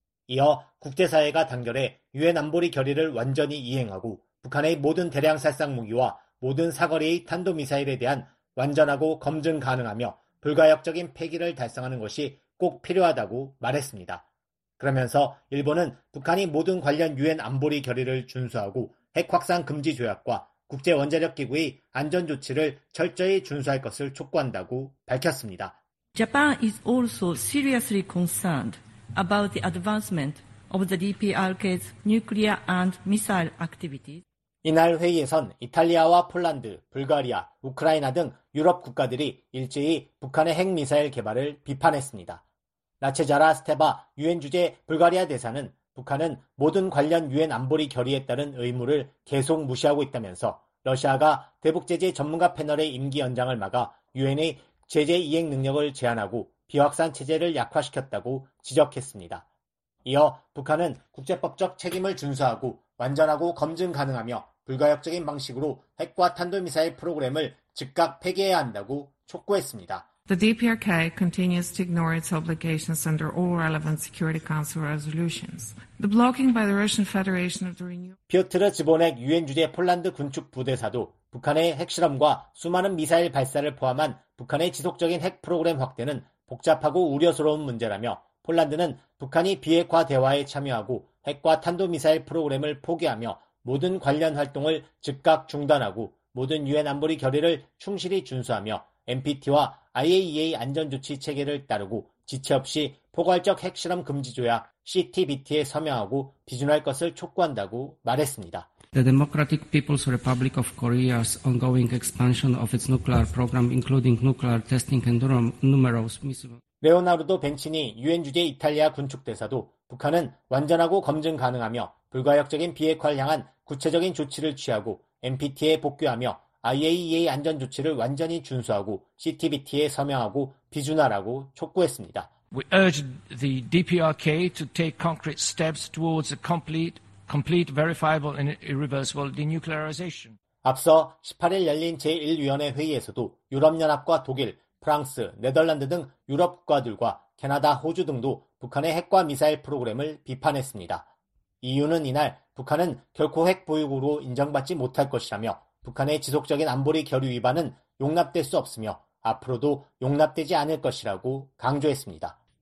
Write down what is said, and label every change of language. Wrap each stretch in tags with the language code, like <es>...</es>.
<ko>이어 국제사회가 단결해 유엔 안보리 결의를 완전히 이행하고 북한의 모든 대량살상무기와 모든 사거리의 탄도미사일에 대한 완전하고 검증 가능하며 불가역적인 폐기를 달성하는 것이 꼭 필요하다고 말했습니다. 그러면서 일본은 북한이 모든 관련 유엔 안보리 결의를 준수하고 핵확산 금지 조약과 국제원자력기구의 안전조치를 철저히 준수할 것을 촉구한다고 밝혔습니다.</ko> <en>Japan is also seriously concerned about the advancement of the DPRK's nuclear and missile activities.</en> <ko>이날 회의에선 이탈리아와 폴란드, 불가리아, 우크라이나 등 유럽 국가들이 일제히 북한의 핵미사일 개발을 비판했습니다. 라체자라 스테바 유엔 주재 불가리아 대사는 북한은 모든 관련 유엔 안보리 결의에 따른 의무를 계속 무시하고 있다면서 러시아가 대북제재 전문가 패널의 임기 연장을 막아 유엔의 제재 이행 능력을 제한하고 비확산 체제를 약화시켰다고 지적했습니다. 이어 북한은 국제법적 책임을 준수하고 완전하고 검증 가능하며 불가역적인 방식으로 핵과 탄도미사일 프로그램을 즉각 폐기해야 한다고 촉구했습니다.</ko> <en>The DPRK continues to ignore its obligations under all relevant Security Council resolutions. The blocking by the Russian Federation of the Renewal.</en> <ko>피오트르 지보넥 유엔 주재 폴란드 군축 부대사도 북한의 핵실험과 수많은 미사일 발사를 포함한 북한의 지속적인 핵 프로그램 확대는 복잡하고 우려스러운 문제라며 폴란드는 북한이 비핵화 대화에 참여하고 핵과 탄도미사일 프로그램을 포기하며 모든 관련 활동을 즉각 중단하고 모든 유엔 안보리 결의를 충실히 준수하며 NPT와 IAEA 안전조치 체계를 따르고 지체 없이 포괄적 핵실험 금지조약 CTBT에 서명하고 비준할 것을 촉구한다고 말했습니다.</ko> <en>The Democratic People's Republic of Korea's ongoing expansion of its nuclear program, including nuclear testing and numerous missiles.</en> <ko>레오나르도 벤치니 유엔 주재 이탈리아 군축대사도 북한은 완전하고 검증 가능하며 불가역적인 비핵화를 향한 구체적인 조치를 취하고 NPT에 복귀하며 IAEA 안전조치를 완전히 준수하고 CTBT에 서명하고 비준하라고 촉구했습니다.</ko> <en>We urge the DPRK to take concrete steps towards a complete, verifiable and irreversible denuclearization.</en> <ko>앞서 18일 열린 제1위원회 회의에서도 유럽연합과 독일, 프랑스, 네덜란드 등 유럽 국가들과 캐나다, 호주 등도 북한의 핵과 미사일 프로그램을 비판했습니다. 이유는 이날 북한은 결코 핵 보유국으로 인정받지 못할 것이라며 북한의 지속적인 안보리 결의 위반은 용납될 수 없으며 앞으로도 용납되지 않을 것이라고 강조했습니다.</ko>